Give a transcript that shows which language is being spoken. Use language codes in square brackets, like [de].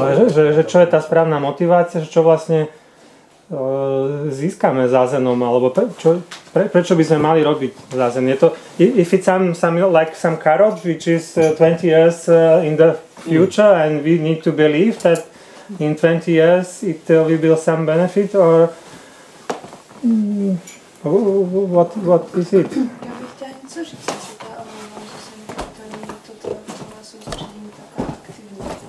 [sk] Že čo je tá správna motivácia, že čo vlastne získame Zazenom, alebo prečo by sme mali robiť Zazen? Je to, [en] if it's some carrot, which is 20 years in the future, and we need to believe that in 20 years it will build some benefit, or... What is it? [cs] Ja bych chtěla něco říct, že ta omlouva, že se mi to není toto celá soustředění taká aktivní.